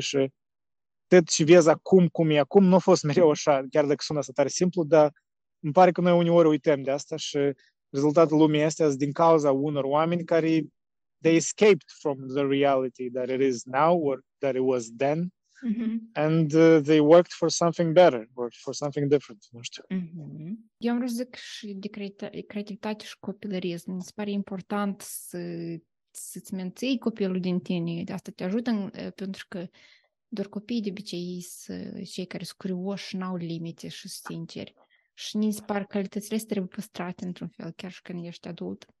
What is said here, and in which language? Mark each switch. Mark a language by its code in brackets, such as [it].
[ro] Și tot ce vezi acum, cum e acum, nu a fost mereu așa, chiar dacă sună asta tare simplu, dar îmi pare că noi uneori uităm de asta și rezultatul lumii este din cauza unor oameni care [en] they escaped from the reality that it is now or that it was then. Mm-hmm. And they worked for something better or for something different, [ro] nu știu. Mm-hmm. Eu am vrut să zic și de creativitate și copilărism. Îți pare important să-ți menții copilul din tine. De asta te ajută, pentru că doar copiii de obicei sunt cei care sunt curioși, n-au limite și sunt sinceri. Și ni se par calitățile astea trebuie păstrate într-un fel, chiar și când ești adult.